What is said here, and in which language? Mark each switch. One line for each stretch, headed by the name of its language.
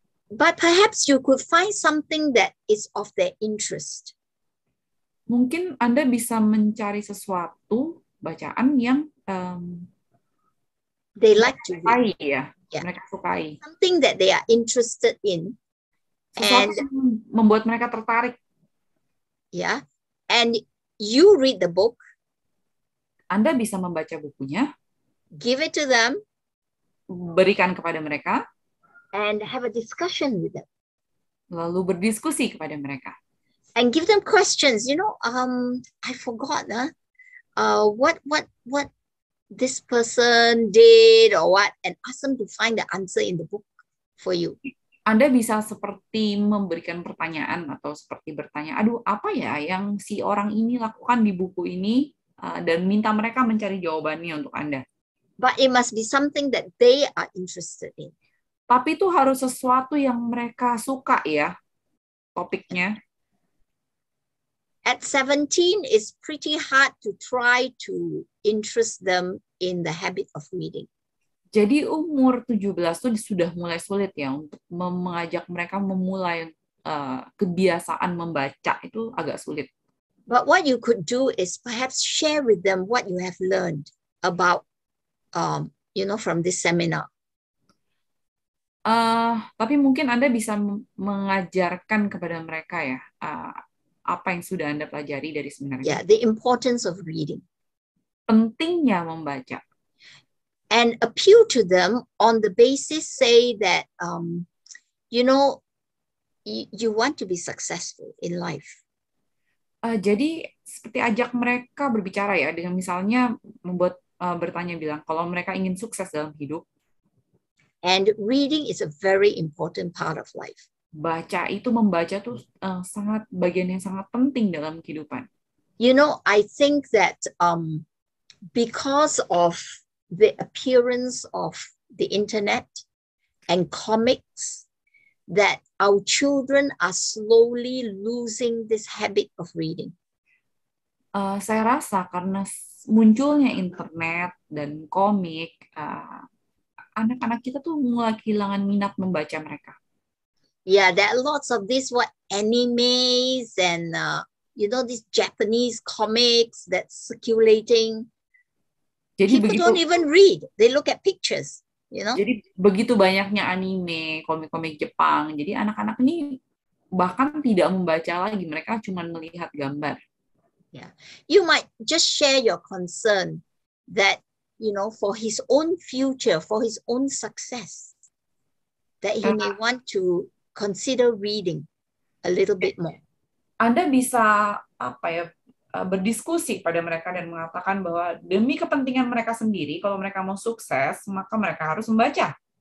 English: But perhaps you could find something that is of their interest.
Indonesian: Mungkin Anda bisa mencari sesuatu bacaan yang
English: they like to read.
Indonesian: Ya.
English: Yeah.
Indonesian: Mereka sukai.
English: Something that they are interested in.
Indonesian: And membuat mereka tertarik.
English: Yeah. And you read the book.
Indonesian: Anda bisa membaca bukunya.
English: Give it to them.
Indonesian: Berikan kepada mereka.
English: And have a discussion with them.
Indonesian: Lalu berdiskusi kepada mereka.
English: And give them questions. You know, I forgot. Huh? What this person did or what, and ask them to find the answer in the book for you.
Indonesian: Anda bisa seperti memberikan pertanyaan atau seperti bertanya, aduh apa ya yang si orang ini lakukan di buku ini, dan minta mereka mencari jawabannya untuk Anda.
English: But it must be something that they are interested in.
Indonesian: Tapi itu harus sesuatu yang mereka suka ya, topiknya.
English: At 17, it's pretty hard to try to interest them in the habit of reading.
Indonesian: Jadi umur 17 itu sudah mulai sulit ya untuk mengajak mereka memulai kebiasaan membaca itu agak sulit.
English: But what you could do is perhaps share with them what you have learned about, you know, from this seminar.
Indonesian: Tapi mungkin Anda bisa mengajarkan kepada mereka ya apa yang sudah Anda pelajari dari seminar.
English: Yeah, the importance of reading.
Indonesian: Pentingnya membaca.
English: And appeal to them on the basis, say that, you know, you want to be successful in life.
Indonesian: Jadi seperti ajak mereka berbicara ya, dengan misalnya membuat bertanya bilang, kalau mereka ingin sukses dalam hidup.
English: And reading is a very important part of life.
Indonesian: Baca itu, membaca itu sangat bagian yang sangat penting dalam kehidupan.
English: You know, I think that because of the appearance of the internet and comics, that our children are slowly losing this habit of reading.
Indonesian: Saya rasa karena munculnya internet dan komik, anak-anak kita tuh mulai kehilangan minat membaca mereka.
English: Yeah, there are lots of these what animes and you know these Japanese comics that's circulating.
Indonesian: Jadi
English: people
Indonesian: begitu,
English: don't even read; they look at pictures. You know.
Indonesian: Jadi begitu banyaknya anime, komik-komik Jepang. Jadi anak-anak ini bahkan tidak membaca lagi; mereka cuma melihat gambar.
English: Yeah, you might just share your concern that you know for his own future, for his own success, that he may want to consider reading a little bit more.
Indonesian: Anda bisa apa ya? Berdiskusi pada mereka dan mengatakan bahwa demi kepentingan mereka sendiri, kalau mereka mau sukses, maka mereka harus membaca.